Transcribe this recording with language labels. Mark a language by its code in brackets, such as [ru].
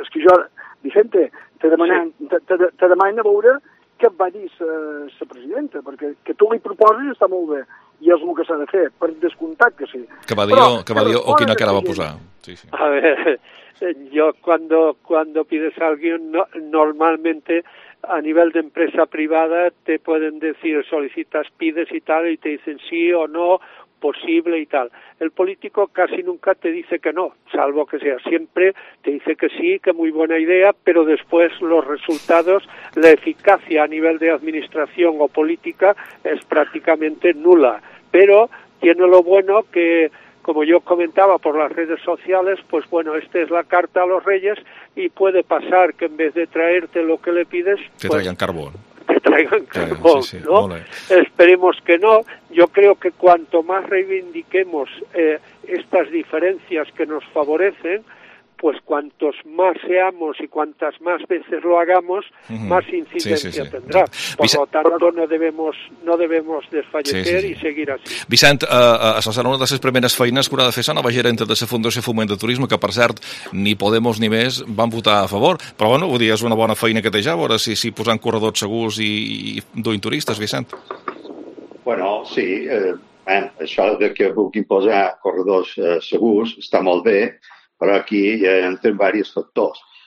[ca] És que jo, Vicente, te demanen a veure què va dir la presidenta, perquè que tu li proposis està molt bé i és el que s'ha de fer, per descomptat que sí. Que va dir, però, que va dir o quina cara va posar. Sí, sí. A veure, jo quan pides a algú, normalment a nivell d'empresa privada te poden dir, sol·licites, pides i tal, i [es] te dicen sí o no, [ca] possible y tal. [es] El político casi nunca te dice que no, salvo que sea. Siempre te dice que sí, que muy buena idea, pero después los resultados, la eficacia a nivel de administración o política es prácticamente nula. Pero tiene lo bueno que, como yo comentaba por las redes sociales, pues bueno, esta es la carta a los reyes y puede pasar que en vez de traerte lo que le pides... Te pues, traigan carbón. Sí, ¿no? Esperemos que no. Yo creo que cuanto más reivindiquemos estas diferencias que nos favorecen, pues cuantos más seamos y cuantas más veces lo hagamos, más incidencia tendrá. Por lo tanto, no debemos desfallecer y seguir así. [ca] Vicent, això serà una de les primeres feines que haurà de fer la nova gerenta de la Fundació Foment de Turisme, que, per cert, ni Podemos ni més van votar a favor. Però, bueno, vull dir, és una bona feina que té ja, a veure si posant corredors segurs i duint turistes, Vicent. Bueno, sí, això de que vulguin posar corredors segurs està molt bé, però aquí entren diversos factors.